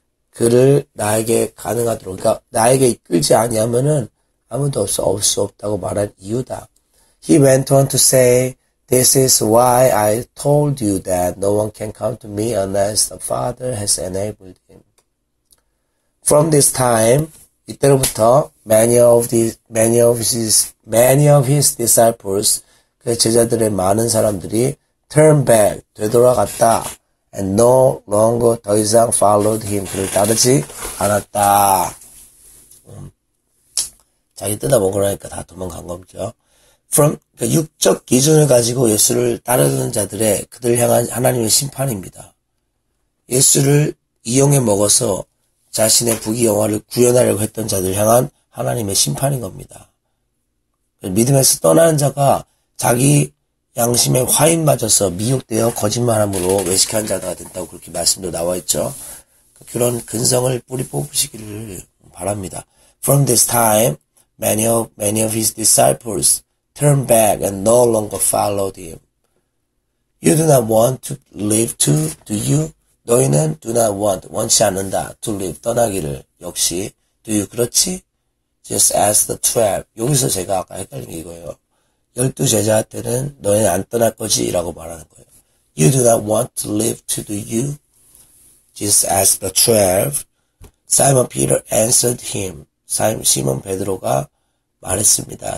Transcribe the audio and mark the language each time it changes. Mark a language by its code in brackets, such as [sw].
[ko] 그를 나에게 가능하도록 그러니까 나에게 이끌지 아니하면은 아무도 없을 수 없다고 말한 이유다. [en] He went on to say This is why I told you that no one can come to me unless the Father has enabled him. From this time [ko] 이때로부터 [en] many of his disciples [ko] 그 제자들의 많은 사람들이 [en] turn back [ko] 되돌아갔다. [en] And no longer [ko] 더 이상 [en] followed him [ko] 그를 따르지 않았다. 자기 뜯어먹으라니까 다 도망간 겁니다. From 그러니까 육적 기준을 가지고 예수를 따르는 자들의 그들 향한 하나님의 심판입니다. 예수를 이용해 먹어서 자신의 부귀영화를 구현하려고 했던 자들 향한 하나님의 심판인 겁니다. 믿음에서 떠나는 자가 자기 양심의 화인 맞아서 미혹되어 거짓말함으로 외식한 자가 된다고 그렇게 말씀도 나와있죠. 그런 근성을 뿌리 뽑으시기를 바랍니다. [en] From this time, many of his disciples turned back and no longer followed him. You do not want to live too, do you? [ko] 너희는 [en] do not want, [ko] 원치 않는다, [en] to live, [ko] 떠나기를. 역시, [en] do you, [ko] 그렇지? [en] Just as the 12. [ko] 여기서 제가 아까 헷갈린 게 이거예요. 열두 제자한테는 너희는 안 떠날 거지? 라고 말하는 거예요. [en] You do not want to leave to do you? Jesus asked the 12. Simon Peter answered him. [ko] 시몬 베드로가 말했습니다.